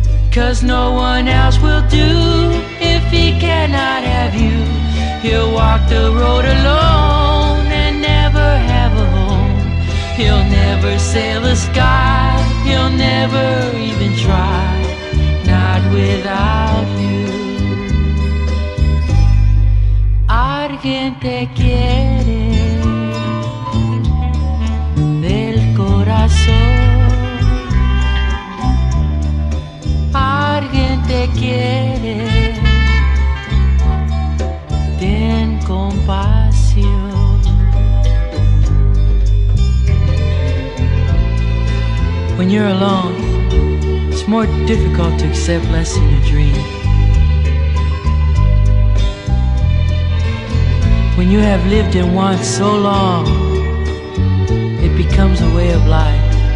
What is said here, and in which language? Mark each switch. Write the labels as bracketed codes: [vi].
[en] 'Cause no one else will do if he cannot have you. He'll walk the road alone and never have a home. He'll never sail the sky, he'll never even try, not without you. [es] Alguien te quiere del corazón. Alguien te quiere, ten compasión. [en] When you're alone, it's more difficult to accept less in your dream. When you have lived in want so long, it becomes a way of life.